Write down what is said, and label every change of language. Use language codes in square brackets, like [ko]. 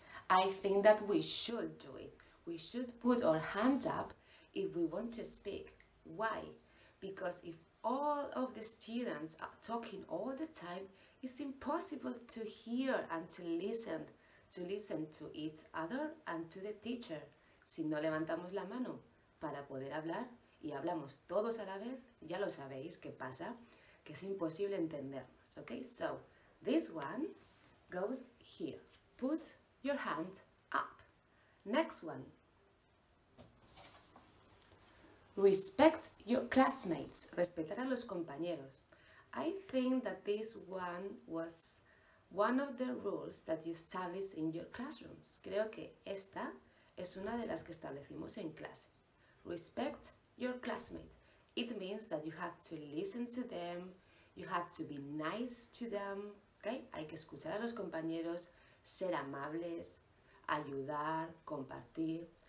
[en] I think that we should do it. We should put our hands up if we want to speak. Why? Because if all of the students are talking all the time, it's impossible to hear and to listen to each other and to the teacher. [es] Si no levantamos la mano para poder hablar, y hablamos todos a la vez, ya lo sabéis qué pasa, que es imposible entendernos, ¿ok? [en] So, this one goes here. Put your hand up. Next one. Respect your classmates. [es] Respetar a los compañeros. [en] I think that this one was one of the rules that you establish in your classrooms. [es] Creo que esta es una de las que establecimos en clase. [en] Respect your classmates. It means that you have to listen to them, you have to be nice to them, okay? [es] Hay que escuchar a los compañeros, ser amables, ayudar, compartir.